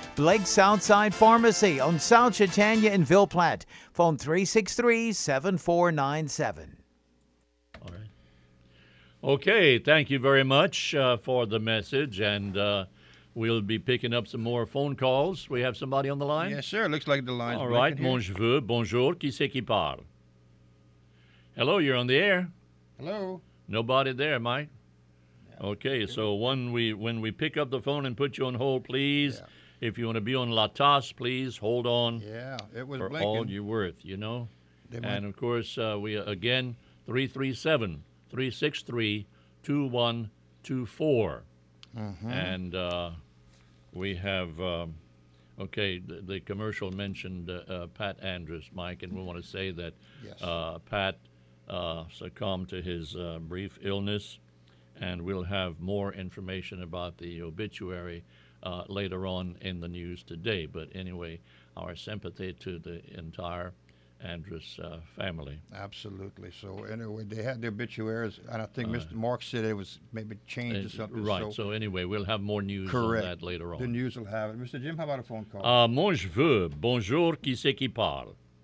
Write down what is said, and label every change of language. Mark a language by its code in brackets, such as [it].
[en] Blake's Southside Pharmacy on South Chatania in Ville Platte. Phone 363-7497. All right. Okay, thank you very much for the message, and we'll be picking up some more phone calls. We have somebody on the line? Yes, sir. Looks like the line's all right. [fr] Mon je veux, bonjour, qui c'est qui parle? [en] Hello, you're on the air. Hello. Nobody there, Mike. Yeah, okay, so when we pick up the phone and put you on hold, please, if you want to be on La Tasse, please hold on. Yeah, it was for blinking. All you're worth, you know. And, of course, we again, 337-363-2124. And we have, the commercial mentioned Pat Andrews, Mike, and we want to say that Pat succumbed to his brief illness, and we'll have more information about the obituary later on in the news today. But anyway, our sympathy to the entire Andrews family. Absolutely. So anyway, they had the obituaries, and I think Mr. Mark said it was maybe changed or something. Right. So anyway, we'll have more news on that later on. The news will have it. Mr. Jim, how about a phone call? [fr] Moi je veux. Bonjour, qui c'est qui parle?